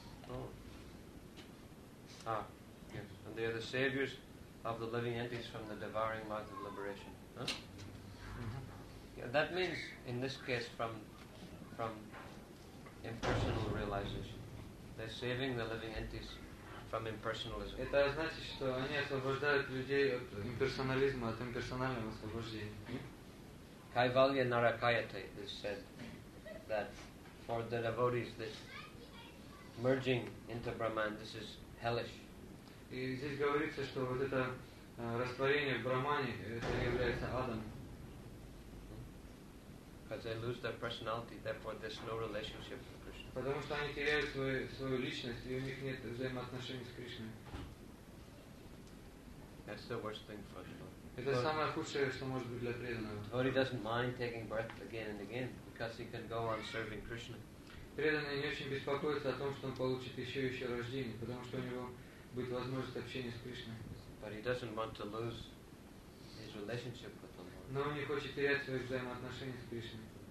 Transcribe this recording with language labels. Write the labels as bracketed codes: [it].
[en] Oh. Ah, yes. And they are the saviors of the living entities from the devouring mouth of liberation. Huh? That means, in this case, from impersonal realization. They're saving the living entities from impersonalism. [ru] Это значит, что они освобождают людей от имперсонализма, от имперсонального освобождения. [en] Kaivalya Narakayate has said that for the devotees, this merging into Brahman, this is hellish. [ru] И здесь говорится, что вот это растворение в Брахмане, это является адом. [en] Because they lose their personality, therefore there's no relationship with Krishna. [ru] Потому что они теряют свою личность, и у них нет взаимоотношений с Кришной. [en] That's the worst thing for them. [ru] Это самое худшее, что может быть для преданного. [en] Devotee doesn't mind taking birth again and again because he can go on serving Krishna. [ru] Преданный не очень беспокоится о том, что он получит еще рождение, потому что у него будет возможность общения с Кришной. [en] But he doesn't want to lose his relationship with. [ru] Но он не хочет терять свои взаимоотношения с Кришной.